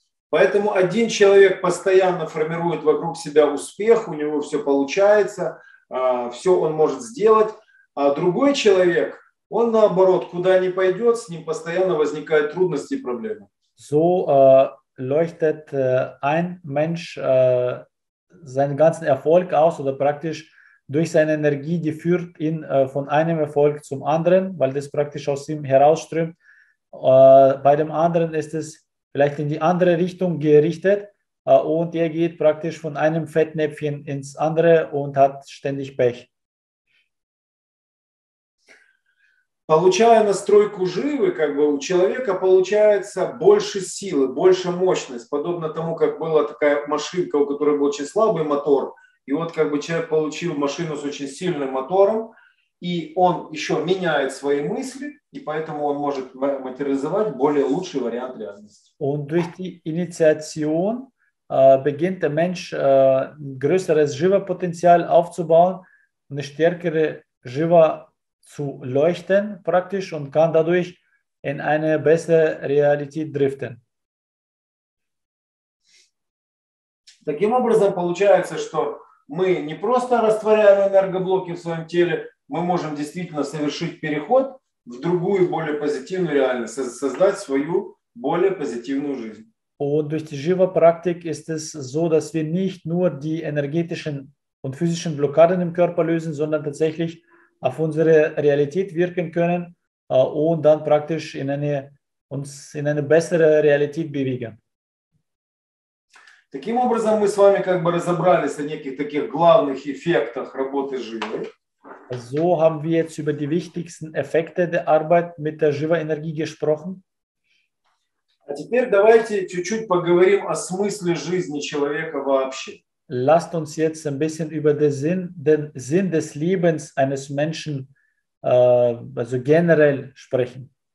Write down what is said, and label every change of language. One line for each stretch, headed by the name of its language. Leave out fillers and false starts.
Russian: Поэтому один человек постоянно формирует вокруг себя успех, у него все получается, все он может сделать, а другой человек, он наоборот, куда ни пойдет, с ним постоянно возникают трудности и проблемы.
German: So, leuchtet ein Mensch seinen ganzen Erfolg aus oder praktisch durch seine Energie, die führt ihn von einem Erfolg zum anderen, weil das praktisch aus ihm herausströmt. Bei dem anderen ist es vielleicht in die andere Richtung gerichtet und er geht praktisch von einem Fettnäpfchen ins andere und hat ständig Pech.
Russian: Получая настройку живы, как бы у человека получается больше силы, больше мощность, подобно тому, как была такая машинка, у которой был очень слабый мотор, и вот как бы человек получил машину с очень сильным мотором, и он еще меняет свои мысли, и поэтому он может материализовать более лучший вариант реальности.
German: Und durch die Initiation beginnt der Mensch größeres Shiva-Potenzial aufzubauen, eine stärkere Shiva zu leuchten praktisch und kann dadurch in eine bessere Realität driften.
Russian: Таким образом получается, что мы не просто растворяем энергоблоки в своем теле, мы можем действительно совершить переход в другую более позитивную реальность, создать свою более позитивную жизнь.
German: Und durch die Shiva-Praktik ist es so, dass wir nicht nur die energetischen und physischen Blockaden im Körper lösen, sondern tatsächlich auf unsere Realität wirken können und dann praktisch uns in eine bessere Realität bewegen.
Russian: Таким образом мы с вами как бы разобрались о неких таких главных эффектах работы живы.
German: So haben wir jetzt über die wichtigsten Effekte der Arbeit mit der Shiva-Energie gesprochen.
Russian: А теперь давайте чуть-чуть поговорим о смысле жизни человека вообще.
German: Lasst uns jetzt ein bisschen über den Sinn des Lebens eines Menschen also generell sprechen.